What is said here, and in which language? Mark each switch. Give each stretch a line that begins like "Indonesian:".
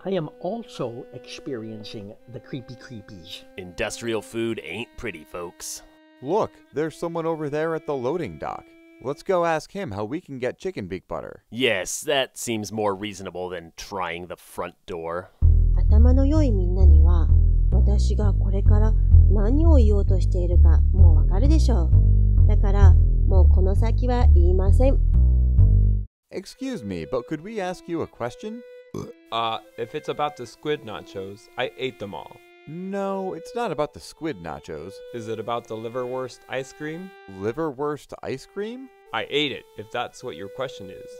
English: I am also experiencing the creepy creepies. Industrial food ain't pretty, folks. Look, there's someone over there at the loading dock. Let's go ask him how we can get chicken beak butter. Yes, that seems more reasonable than trying the front door.
Japanese: 頭の良いみんなには、私がこれから何を言おうとしているかもうわかるでしょう。だから、もうこの先は言いません。
English: Excuse me, but could we ask you a question? If it's about the squid nachos, I ate them all. No, it's not about the squid nachos. Is it about the liverwurst ice cream? Liverwurst ice cream? I ate it, if that's what your question is.